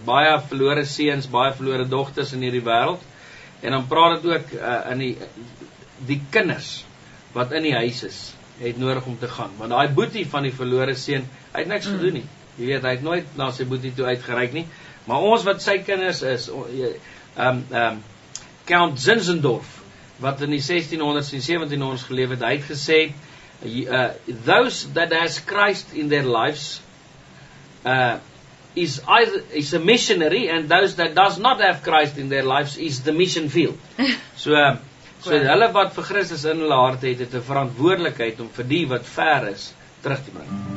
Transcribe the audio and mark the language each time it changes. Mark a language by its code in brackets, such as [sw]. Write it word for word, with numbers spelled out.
[af] Baie verlore seuns, baie verlore dogters in hierdie wêreld. En dan praat dit ook uh, in die die kinders wat in die huis is, het nodig om te gaan. Want daai boetie van die verlore seun, hy het niks mm. gedoen nie. Jy weet, hy het nooit na sy boetie toe uitgereik nie. Maar ons wat sy kinders is, ehm ehm Count Zinzendorf wat in die sixteen hundreds en seventeen hundreds geleef het, hy het gesê uh, [en] those that has Christ in their lives Uh, is either is a missionary, and those that does not have Christ in their lives is the mission field. [af] So uh, so hulle wat vir Christus in hulle hart het, het 'n verantwoordelikheid om vir die wat ver is terug te bring.